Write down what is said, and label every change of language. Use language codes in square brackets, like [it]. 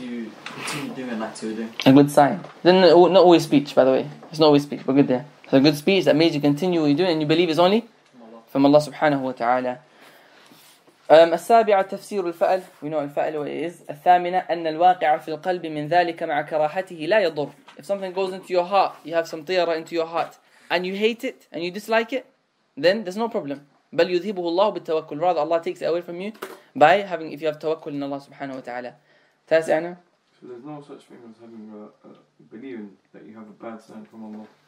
[en] A good speech which makes you continue doing an act you're doing. A good sign. Then not always speech, by the way. It's not always speech, but good there. So a good speech that made you continue what you're doing and you believe is only from Allah subhanahu wa ta'ala. [ar] السابعة تفسير الفأل. [en] We know الفأل what it is. [ar] الثامنة أن الواقع في القلب من ذلك مع كراهته لا يضر. [en] If something goes into your heart, you have some طيرة into your heart and you hate it and you dislike it, then there's no problem. [ar] بل يذهبه الله بالتوكل. [en] Rather Allah takes it away from you by having, if you have توكل in Allah subhanahu wa ta'ala. [ar] تاسعنا. [en] So there's no such thing as having believing that you have a bad sign from Allah.